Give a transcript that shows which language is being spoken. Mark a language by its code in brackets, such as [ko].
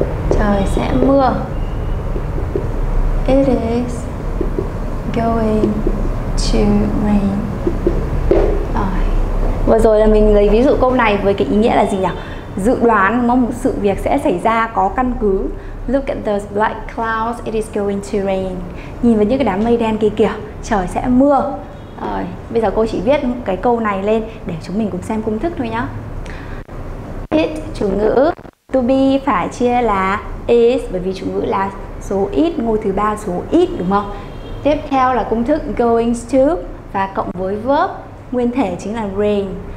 [vi] Trời sẽ mưa. [en] It is going to rain. [vi] Rồi. Vừa rồi là mình lấy ví dụ câu này với cái ý nghĩa là gì nhỉ? Dự đoán mong một sự việc sẽ xảy ra có căn cứ. [en] Look at those black clouds, it is going to rain. [vi] Nhìn vào những cái đám mây đen kia kìa, trời sẽ mưa. Rồi, bây giờ cô chỉ viết cái câu này lên để chúng mình cùng xem công thức thôi nhá. It chủ ngữ, to be phải chia là is, bởi vì chủ ngữ là số ít, ngôi thứ ba số ít, đúng không? Tiếp theo là công thức going to và cộng với verb, nguyên thể chính là rain.